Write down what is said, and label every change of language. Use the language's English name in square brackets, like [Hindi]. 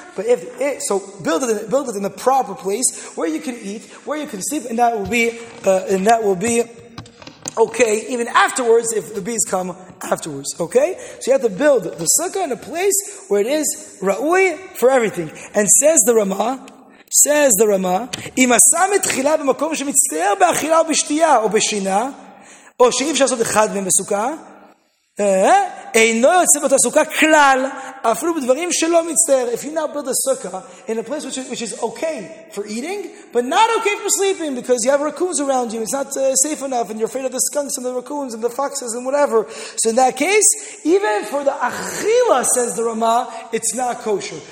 [English] But build it in the proper place where you can eat, where you can sleep, and that will be okay even afterwards if the bees come afterwards. Okay, so you have to build the sukkah in a place where it is ra'ui for everything. And says the Rama. [Hebrew] Says the Rama, אם עשה מתחילה במקום שמצטער באכילה או בשתייה או בשינה, או שאי אפשר לעשות אחד מהם בסוכה, אינו יוצא באותה סוכה כלל, אפילו בדברים שלא מצטער. [English] If you now build a sukkah in a place which is okay for eating, but not okay for sleeping, because you have raccoons around you, it's not safe enough, and you're afraid of the skunks and the raccoons and the foxes and whatever. So in that case, even for the achila, says the Rama, it's not kosher.